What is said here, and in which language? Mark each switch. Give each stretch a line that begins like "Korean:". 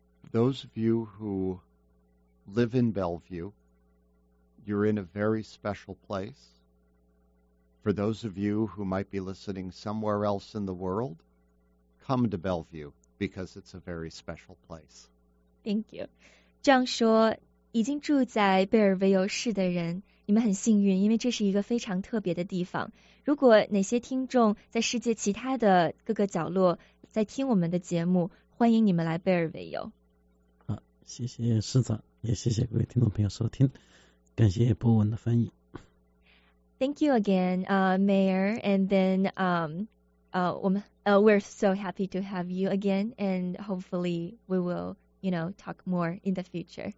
English: Those of you who live in Bellevue, you're in a very special place. For those of you who might be listening somewhere else in the world,Come to Bellevue because it's a very special place. Thank you.
Chinese: 这样说，已经住在贝尔维尤市的人，你们很幸运，因为这是一个非常特别的地方。如果哪些听众在世界其他的各个角落在听我们的节目，欢迎你们来贝尔维尤。好，谢谢市长，也谢谢各位听众朋友收听，感谢博文的翻译。
English: Thank you again, Mayor, and then we're so happy to have you again, and hopefully we will, you know, talk more in the future.